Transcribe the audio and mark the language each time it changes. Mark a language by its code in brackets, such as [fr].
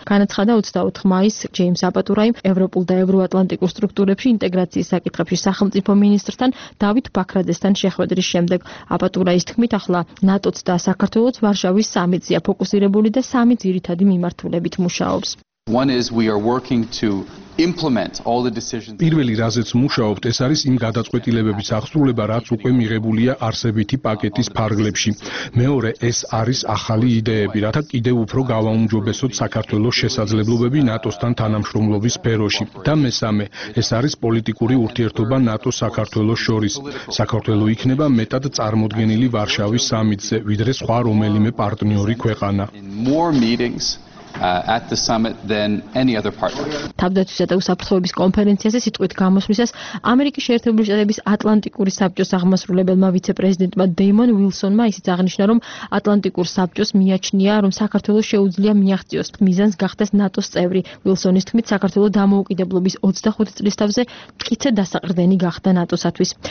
[ka] განაცხადა 28 მაისს ჯეიმს აპატურაიმ ევროპულ და ევროატლანტიკურ სტრუქტურებში ინტეგრაციის საკითხებში სახელმწიფო მინისტრთან დავით ბაქრაძესთან შეხვედრის შემდეგ. აპატურაის თქმით, ახლა ნატოც და საქართველოც ვარშავის სამიტზეა ფოკუსირებული და სამი ძირითადი მიმართულებით მუშაობს. [en] One is we are working to implement all the decisions. [ka] პირველი რაზეც მუშაობთ, ეს არის იმ გადაწყვეტილებების აღსრულება, რაც უკვე მიღებულია არსებითი პაკეტის ფარგლებში. მეორე, ეს არის ახალი იდეები, რათა კიდევ უფრო გავაუმჯობესოთ საქართველოს შესაძლებლობები ნატოსთან თანამშრომლობის სფეროში. და მესამე, ეს არის პოლიტიკური ურთიერთობა ნატო-საქართველოს შორის. საქართველო იქნება მეტად წარმოდგენილი ვარშავის სამიტზე, ვიდრე სხვა რომელიმე პარტნიორი ქვეყანა. [en] At the summit than any other partner. [ka] თავდაცვისა და უსაფრთხოების კონფერენციაზე სიტყვით გამოსვლისას ამერიკის შეერთებული შტატების ატლანტიკური საბჭოს აღმასრულებელმა ვიცე-პრეზიდენტმა დეიმონ ვილსონმა ისიც აღნიშნა, რომ ატლანტიკურ საბჭოს მიაჩნია, რომ საქართველოს შეუძლია მიაღწიოს მიზანს გახდეს ნატოს წევრი. ვილსონის თქმით, საქართველოს დამოუკიდებლობის 25 წლისთავზე მტკიცე დასაყრდენი გახდა ნატოსათვის.